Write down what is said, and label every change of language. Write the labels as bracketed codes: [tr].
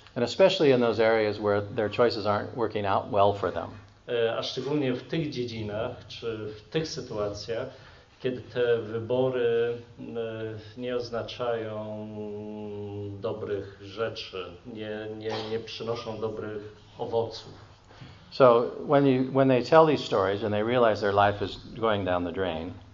[en] And especially in those areas where their choices aren't working out well for them. [pl] A szczególnie w tych dziedzinach, czy w tych sytuacjach, kiedy te wybory nie oznaczają dobrych rzeczy, nie przynoszą dobrych owoców. [en] So when they tell these stories and they realize their life is going down the drain.